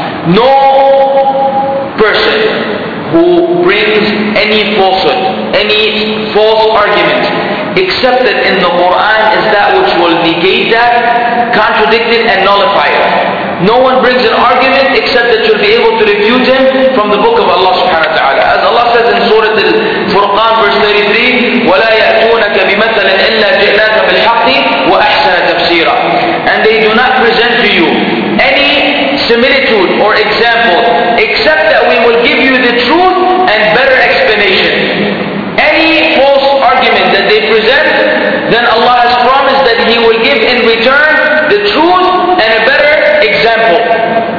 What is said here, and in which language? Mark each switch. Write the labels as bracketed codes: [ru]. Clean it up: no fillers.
[en] No person who brings any falsehood, any false argument, except that in the Quran is that which will negate that, contradict it, and nullify it. No one brings an argument except that you'll be able to refute him from the book of Allah subhanahu wa ta'ala. As Allah says in Surah Al-Furqan, verse 33, [ar] وَلَا يَأْتُونَكَ بِمَثَلٍ إِلَّا جِئْنَاكَ بِالْحَقِّ وَأَحْسَنَ تَفْسِيرًا. [en] And they do not present to you any similitude or example except that we will give you the truth and better explanation. Any false argument that they present, then Allah has promised that He will give in return the truth and a better example.